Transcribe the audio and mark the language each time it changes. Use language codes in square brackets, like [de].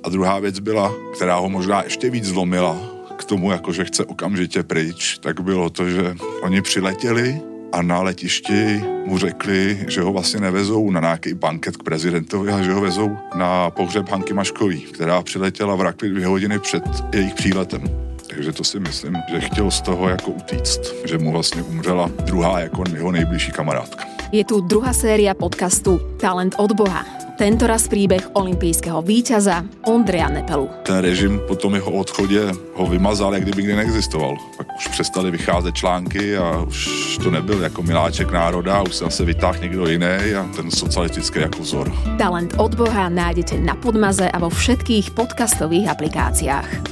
[cs] A druhá věc byla, která ho možná ještě víc zlomila k tomu, jako že chce okamžitě pryč, tak bylo to, že oni přiletěli a na letišti mu řekli, že ho vlastně nevezou na nějaký banket k prezidentovi, a že ho vezou na pohřeb Hanky Maškový, která přiletěla v Rakli 2 hodiny před jejich příletem. Takže to si myslím, že chtěl z toho jako utíct, že mu vlastně umřela druhá jako jeho nejbližší kamarádka. [sk] Je tu druhá séria podcastu Talent od Boha. tentoraz príbeh olympijského víťaza Ondreja Nepelu. [cs] Ten režim po tom jeho odchode ho vymazal, jak kdyby nikdy neexistoval. Pak už přestali vycházet články a už to nebyl jako miláček národa, už se vytáhl někdo jiný a ten socialistický jako vzor. [sk] Talent od Boha nájdete na Podmaze a vo všetkých podcastových aplikáciách.